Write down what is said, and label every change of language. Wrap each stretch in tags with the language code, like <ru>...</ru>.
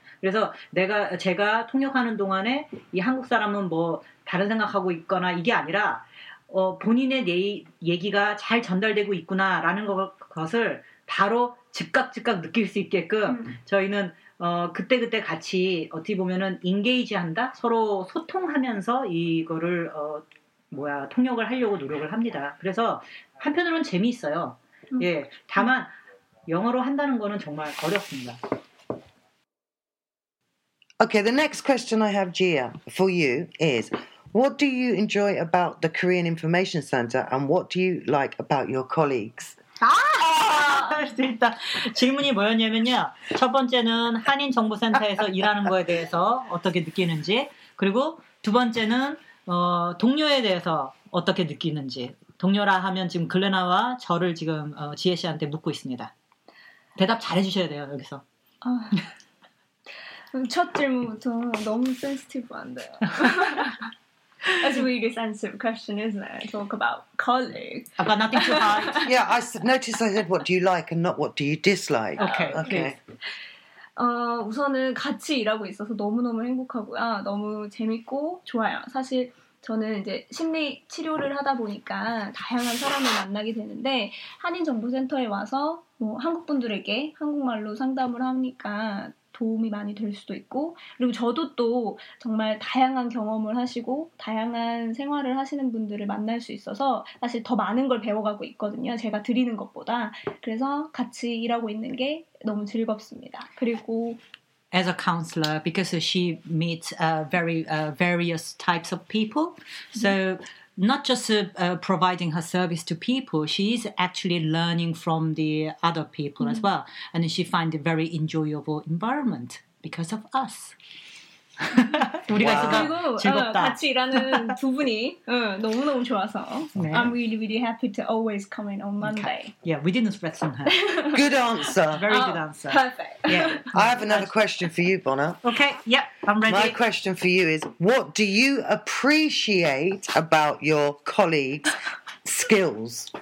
<ko>그래서 제가 통역하는 동안에 이 한국 사람은 뭐 다른 생각하고 있거나 이게 아니라 본인의 얘기가 잘 전달되고 있구나라는 것을 바로 즉각 느낄 수 있게끔 저희는 그때 같이 어떻게 보면은 인게이지한다? 서로 소통하면서 이거를 통역을 하려고 노력을 합니다. 그래서 한편으로는 재미있어요. 예, 다만 영어로 한다는 거는 정말 어렵습니다.</ko> <en>Okay, the next question I have, Jia, for you is, what do you enjoy about the Korean Information Center and what do you like about your colleagues?</en> <ko>아, 질문이 뭐였냐면요. 첫 번째는 한인정보센터에서 일하는 거에 대해서 어떻게 느끼는지, 그리고 두 번째는 동료에 대해서 어떻게 느끼는지, 동료라 하면 지금 글레나와 저를 지금 지혜 씨한테 묻고 있습니다. 대답 잘 해주셔야 돼요, 여기서. 첫 질문부터 너무 센스티브한데요.</ko> <en>That's a really sensitive question, isn't it? Talk about colleagues. I've got nothing to hide. Yeah, I noticed I said what do you like and not what do you dislike. Okay. Okay.</en> <ko>우선은 같이 일하고 있어서 너무너무 행복하고요. 너무 재밌고 좋아요. 사실 저는 이제 심리 치료를 하다 보니까 다양한 사람을 만나게 되는데 한인정보센터에 와서 뭐 한국분들에게 한국말로 상담을 하니까 도움이 많이 될 수도 있고 그리고 저도 또 정말 다양한 경험을 하시고 다양한 생활을 하시는 분들을 만날 수 있어서 사실 더 많은 걸 배워가고 있거든요. 제가 드리는 것보다 그래서 같이 일하고 있는 게 너무 즐겁습니다. 그리고</ko> <en>As a counselor, because she meets various types of people, so not just providing her service to people, she's actually learning from the other people as well. And she finds a very enjoyable environment because of us.</en> <ko>우리가 있어서 그리고, 즐겁다. 같이 일하는 두 분이 너무너무 좋아서 네.</ko> <en>I'm really, really happy to always come in on Monday. Okay. Yeah, we didn't threaten her. Good answer. Very good answer. Perfect. Yeah. I have another question for you, Bona. Okay, yep, I'm ready. My question for you is, what do you appreciate about your colleagues' skills?</en>